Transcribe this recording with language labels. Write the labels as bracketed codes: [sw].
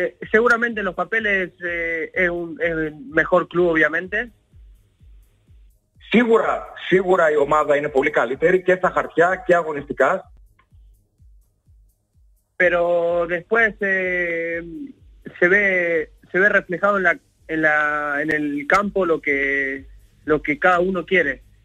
[es] Seguramente los papeles es un mejor club, obviamente. [el] Σίγουρα η ομάδα είναι πολύ καλύτερη και στα χαρτιά και αγωνιστικά. [es] Pero después se ve reflejado en el campo lo que cada uno quiere.